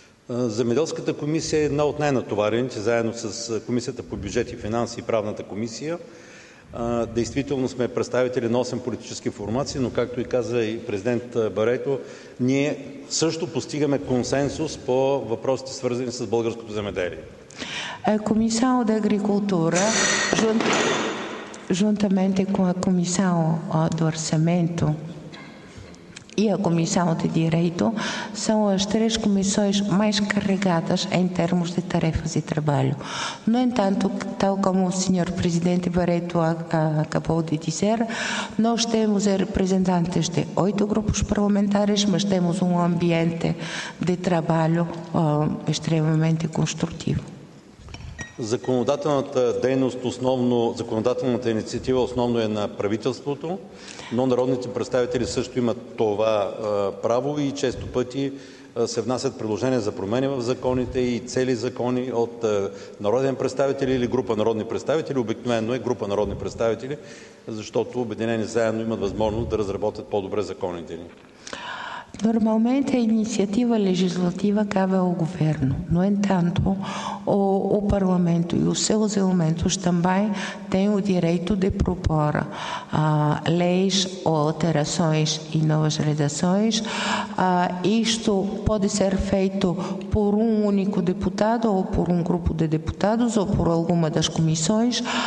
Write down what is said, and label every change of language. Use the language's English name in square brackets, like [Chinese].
[Bulgarian] Земеделската комисия е една от най-натоварените, заедно с Комисията по бюджет и финанси и Правната комисия. Действително сме представители на 8 политически формации, но както и каза и президент Барето, ние също постигаме консенсус по въпросите, свързани с българското земеделие. Комисия от агрикултура, [Portuguese] juntamente com a Comissão do Orçamento e a Comissão de Direito, são as três comissões mais carregadas em termos de tarefas e trabalho. No entanto, tal como o Sr. Presidente Barreto acabou de dizer, nós temos representantes de 8 grupos parlamentares, mas temos ambiente de trabalho extremamente construtivo. [Bulgarian] Законодателната дейност, основно, законодателната инициатива основно е на правителството, но народните представители също имат това право и често пъти се внасят предложения за промени в законите и цели закони от народен представители или група народни представители. Обикновено е група народни представители, защото обединени заедно имат възможност да разработят по-добре законите ни. [Portuguese] Normalmente a iniciativa legislativa cabe ao governo. No entanto, o Parlamento e os seus elementos também têm o direito de propor leis ou alterações e novas redações. Isto pode ser feito por um único deputado ou por um grupo de deputados ou por alguma das comissões.